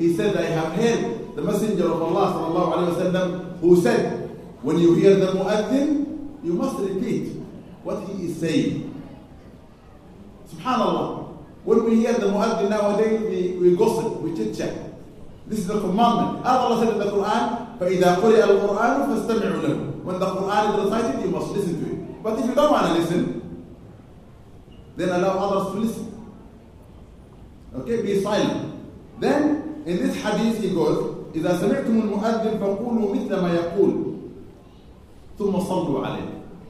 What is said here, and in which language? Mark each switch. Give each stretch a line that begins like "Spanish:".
English: He said, I have heard the messenger of Allah sallallahu alayhi wa sallam who said, when you hear the mu'addin, you must repeat what he is saying. Subhanallah. When we hear the mu'addin nowadays, we gossip, we chit-chat. This is the commandment. Allah said in the Quran,
Arabic: فإذا قرئ القرآن فاستمعوا له.
English: When the Quran is recited, you must listen to it. But if you don't want to listen, then allow others to listen. Okay, be silent. Then, in this hadith, he goes,
Arabic: إِذَا سَمِعْتُمُ الْمُؤَذِّنُ فَقُولُوا مِثْلَ مَا يَقُولُ ثُمَّ صَلُّوا عَلَيْهِ.